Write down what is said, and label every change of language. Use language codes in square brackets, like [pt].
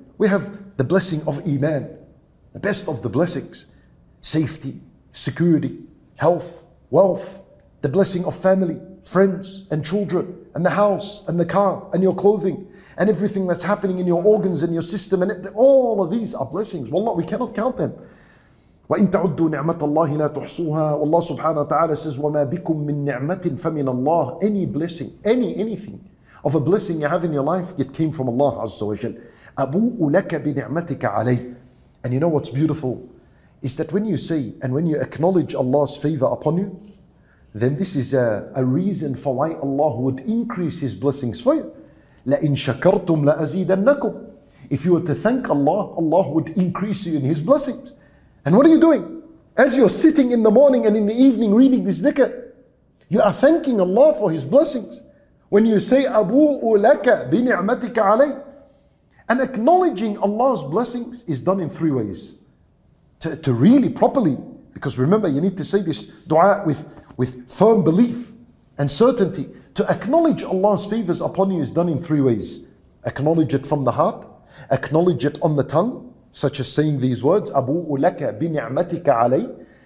[en] We have the blessing of Iman, the best of the blessings, safety, security, health, wealth, the blessing of family, friends and children, and the house and the car and your clothing and everything that's happening in your organs and your system, and all of these are blessings. Wallah, we cannot count them. [ar] وَإِن تَعُدُّوا نِعْمَةَ اللَّهِ لَا تُحْصُوهَا. [en] Allah subhanahu wa ta'ala says, [ar] وَمَا بِكُم مِّن نِعْمَةٍ فَمِنَ اللَّهِ. [en] Any blessing, anything of a blessing you have in your life, it came from Allah Azza wa Jal. [ar] أَبُوءُ لَكَ بِنِعْمَتِكَ عَلَيْهِ. [en] And you know what's beautiful? Is that when you say and when you acknowledge Allah's favor upon you, then this is a reason for why Allah would increase His blessings for you. [ar] لَإِن شَكَرْتُمْ لَأَزِيدَنَّكُمْ. [en] If you were to thank Allah, Allah would increase you in His blessings. And what are you doing? As you're sitting in the morning and in the evening reading this dhikr, you are thanking Allah for His blessings. When you say, [ar] أَبُوءُ لَكَ بِنِعْمَتِكَ عَلَيْهِ. [en] And acknowledging Allah's blessings is done in three ways. To really properly, because remember, you need to say this dua with firm belief and certainty. To acknowledge Allah's favors upon you is done in three ways. Acknowledge it from the heart, acknowledge it on the tongue, such as saying these words, [ar] أَبُوءُ لَكَ بِنِعْمَتِكَ عَلَيْهِ.